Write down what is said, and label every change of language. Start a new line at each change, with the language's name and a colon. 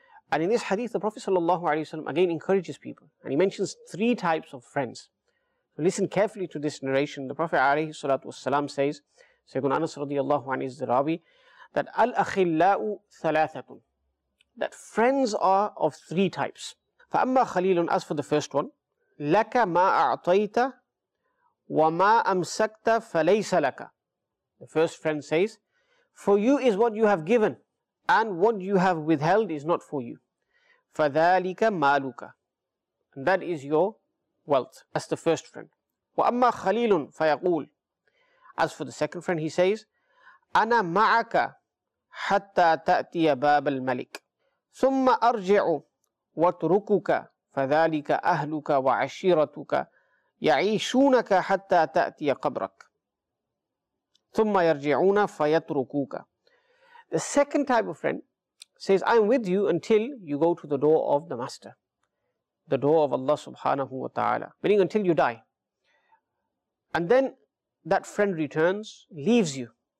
English: And in this hadith, the Prophet sallallahu alayhi wa sallam again encourages people. And he mentions three types of friends. Listen carefully to this narration. The Prophet alayhi salatu wasalam says, Sayyidun Anas radiallahu anhu is the rabi, that
Arabic: al-akhillau thalathatun,
English: that friends are of three types.
Arabic: فَأَمَّا خَلِيلٌ.
English: As for the first one,
Arabic: لك ما أعطيت وما أمسكت فليس لك.
English: The first friend says, for you is what you have given, and what you have withheld is not for you.
Arabic: فذلك مالك.
English: And that is your wealth. That's the first friend.
Arabic: وأما خليل فيقول.
English: As for the second friend, he says,
Arabic: أنا معك حتى تأتي باب الملك. ثم أرجع واتركك فذلك أهلك وعشيرتك يعيشونك حتى تأتي قبرك. ثم يرجعون فيتركوك.
English: The second type of friend says, I'm with you until you go to the door of the master, the door of Allah subhanahu wa ta'ala, meaning until you die. And then that friend returns, leaves you.